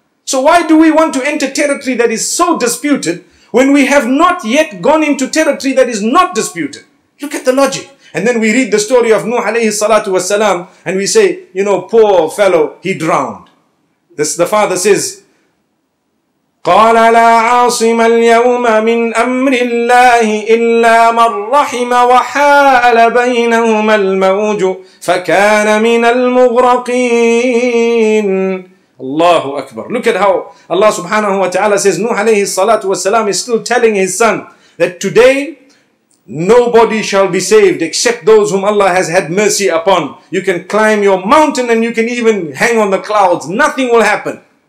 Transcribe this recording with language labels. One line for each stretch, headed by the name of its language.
English: So why do we want to enter territory that is so disputed when we have not yet gone into territory that is not disputed? Look at the logic. And then we read the story of Nuh alayhi salatu wasalam and we say, you know, poor fellow, he drowned. The father says,
Arabic: قال لا عاصم اليوم من أمر الله إلا من رحم وحال بينهما الموج فكان من المغرقين.
English: Allahu Akbar. Look at how Allah subhanahu wa ta'ala says Nuh alayhi salatu wasalam is still telling his son that today nobody shall be saved except those whom Allah has had mercy upon. You can climb your mountain and you can even hang on the clouds. Nothing will happen.